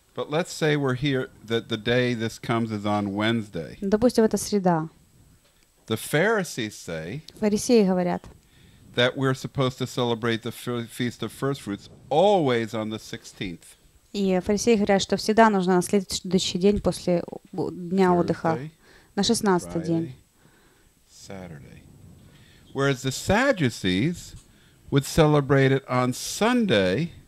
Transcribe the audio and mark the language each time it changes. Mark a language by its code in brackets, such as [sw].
[en] But let's say we're here that the day this comes is on Wednesday. [ru] Допустим, это среда. [en] The Pharisees say. [ru] Фарисеи говорят. [en] That we're supposed to celebrate the feast of first fruits always on the 16th. [ru] И фарисеи говорят, что всегда нужно на следующий день после дня отдыха, на 16-й день. [en] Saturday. Whereas the Sadducees would celebrate it on Sunday.